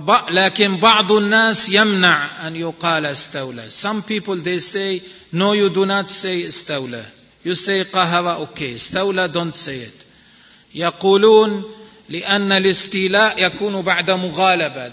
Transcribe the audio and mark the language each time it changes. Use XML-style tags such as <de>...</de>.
<ar>لكن بعض الناس يمنع أن يقال استولى.</ar> <en>Some people they say, no, you do not say استولى. You say قهر. Okay, استولى don't say it.</en> <ar>يقولون لأن الاستيلاء يكون بعد مغالبة.</ar>